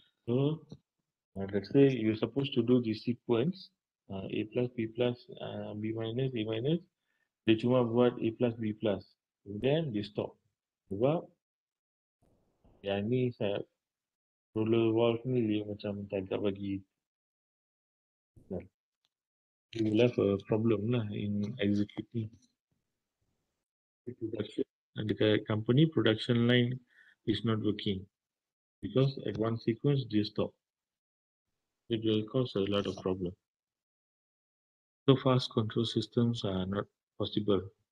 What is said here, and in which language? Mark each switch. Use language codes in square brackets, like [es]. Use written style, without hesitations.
[en] So let's say you supposed to do this sequence, A plus B plus B minus A minus. [ms] Dia cuma buat A plus B plus, then dia stop. Sebab yang ni saya roller valve ni dia macam tak dapat bagi. [en] You will have a problem lah in executing. And the company production line is not working because at one sequence they stop. It will cause a lot of problem. So fast control systems are not possible.